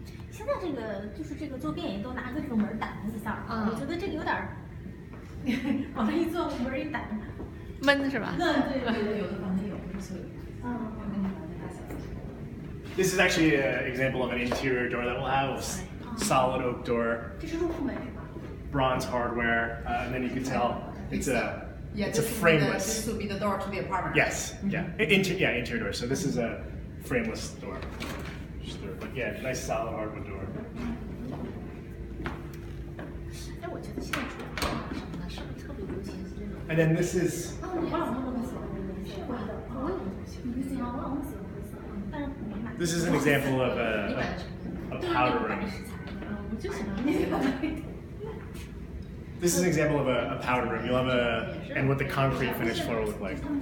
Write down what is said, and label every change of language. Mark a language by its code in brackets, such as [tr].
[zh] 现在这个就是这个坐便椅都拿个这个门挡一下，我觉得这个有点往上一坐，门一打，闷是吧？那对对对，有的房间有，不是所有。嗯。 [en] This is actually an example of an interior door that we'll have. Solid oak door. Bronze hardware. And then you can tell it's a frameless. This will be the door to the apartment. Yes. Yeah. Interior door. So this is a frameless door. But yeah, nice solid hardwood door. [zh] 哎，我觉得现在主要什么呢？是不是特别流行这种？ [en] And then this is. [zh] 哦，你忘了我们怎么回事？是我的，我也不行，忘了我们怎么。 [en] This is an example of a powder room. This is an example of a powder room. You'll have and what the concrete finish floor will look like.